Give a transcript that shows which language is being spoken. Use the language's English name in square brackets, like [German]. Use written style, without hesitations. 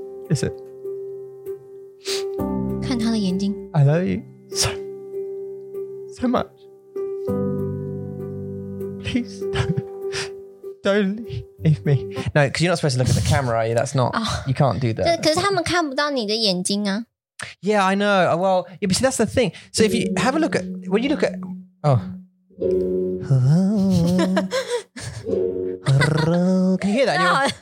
[English] Is it? [Chinese] 看他的眼睛。 [English] I love you. So much. Please don't leave me. No, because you're not supposed to look at the camera, are you? That's not, you can't do that. [Chinese] 可是他们看不到你的眼睛啊。 [English] Yeah, I know. Well, yeah, but see, that's the thing. So if you have a look at, when you look at, can you hear that?